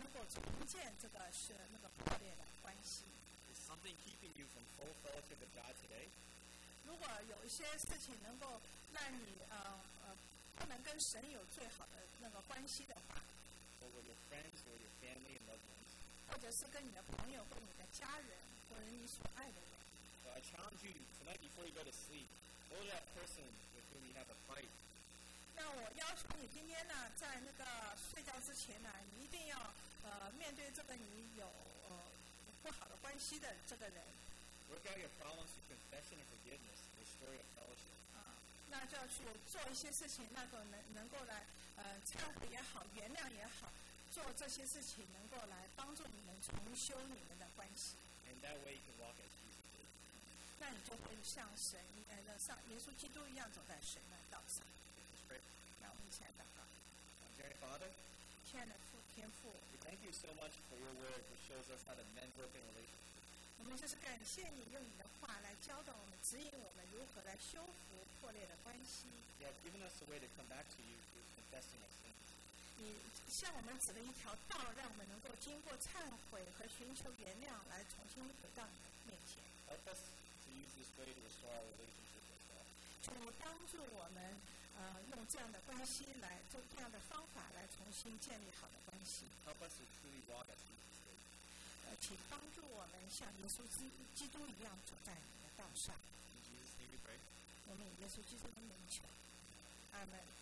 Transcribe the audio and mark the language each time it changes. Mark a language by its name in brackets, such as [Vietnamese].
[Chinese] 所以我们就看到了，这个我们能够重新建立美好关系的这个路程呢，是先要有那个心意来忏悔，然后要有那个原谅的那个心，然后我们才能够重建这个破裂的关系。 [English] Is something keeping you from full fellowship with God today? [Chinese] 如果有一些事情能够让你不能跟神有最好的那个关系的话， [English] or with your friends, or your family and loved ones. [Chinese] 或者是跟你的朋友，或者你的家人，或者你所爱的人。 [English] Well, I challenge you tonight before you go to sleep, go to that person with whom you have a fight. [Chinese] 那我邀请你今天呢，在那个睡觉之前呢，你一定要面对这个你有不好的关系的这个人。 [English] Work out your problems with confession and forgiveness, restore your fellowship. [Chinese] 那就要去做一些事情，那个能够来忏悔也好，原谅也好。做这些事情能够来帮助你们重修你们的关系。 [English] And that way you can walk as Jesus did. [Chinese] 那你就会像神像耶稣基督一样走在神的道上。那我们一起来祷告。 [English] Dear Father, [Chinese] 亲爱的父，天父， [English] we thank you so much for your word that shows us how to mentor and relate. [Chinese] 我们就是感谢你用你的话来教导我们，指引我们如何来修复破裂的关系。 [English] You have given us a way to come back to you through confessing our sins. [Chinese] 你向我们指了一条道，让我们能够经过忏悔和寻求原谅，来重新回到你面前。 [English] Help us to use this way to restore our relationship with God. [Chinese] 主帮助我们。用这样的关系来做这样的方法来重新建立好的关系。 [English] Help us to truly walk as Jesus did. [Chinese] 请帮助我们像耶稣基督一样走在你的道上。 [English] In Jesus' name we pray. [Chinese] 我们以耶稣基督的名求。阿门。